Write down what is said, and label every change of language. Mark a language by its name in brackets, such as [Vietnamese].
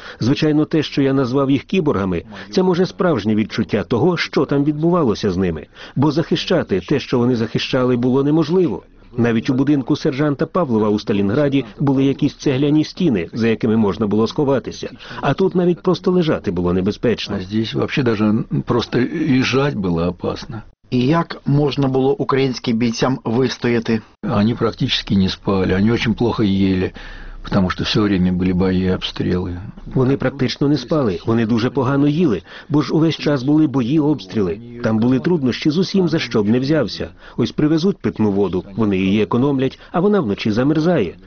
[Ukrainian] Звичайно, те, що я назвав їх кіборгами, це, може, справжнє відчуття того, що там відбувалося з ними. Бо захищати те, що вони захищали, було неможливо. Навіть у будинку сержанта Павлова у Сталінграді були якісь цегляні стіни, за якими можна було сховатися. А тут навіть просто лежати було небезпечно. [Russian] А здесь вообще даже просто [Ukrainian] лежати було [Russian] опасно. [Ukrainian] І як можна було українським бійцям вистояти? Вони практично не спали, вони дуже [Russian] плохо [Ukrainian] їли. Тому що [Russian] все время [Ukrainian] були бої, обстріли. Вони практично не спали. Вони дуже погано їли, бо ж увесь час були бої, обстріли. Там були труднощі з усім, за що б не взявся. Ось привезуть питну воду, вони її економлять, а вона вночі замерзає.